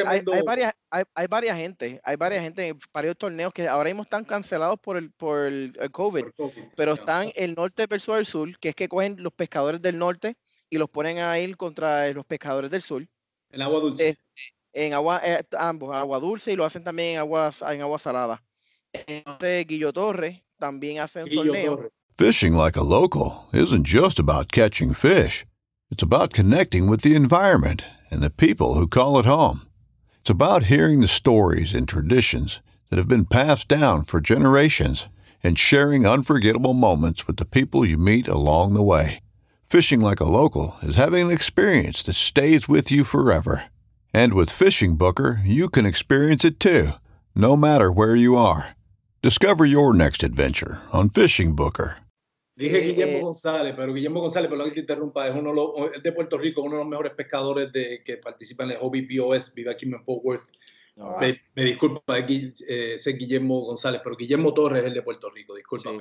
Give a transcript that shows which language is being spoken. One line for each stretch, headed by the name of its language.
Spanish: hay varias gente en varios torneos que ahora mismo están cancelados por el COVID. Pero están el norte versus el sur, que es que cogen los pescadores del norte y los ponen a ir contra los pescadores del sur. En agua dulce. Ambos, agua dulce, y lo hacen también en agua salada. Entonces, Guillo Torres también hace un torneo. Torres.
English: Fishing like a local isn't just about catching fish. It's about connecting with the environment and the people who call it home. It's about hearing the stories and traditions that have been passed down for generations and sharing unforgettable moments with the people you meet along the way. Fishing like a local is having an experience that stays with you forever. And with Fishing Booker, you can experience it too, no matter where you are. Discover your next adventure on Fishing Booker.
Spanish: Dije Guillermo González, pero Guillermo González, perdón que te interrumpa, es uno de Puerto Rico, uno de los mejores pescadores que participa en el Hobby POS, vive aquí en Fort Worth. Me disculpa, es Guillermo González, pero Guillermo Torres es el de Puerto Rico, discúlpame.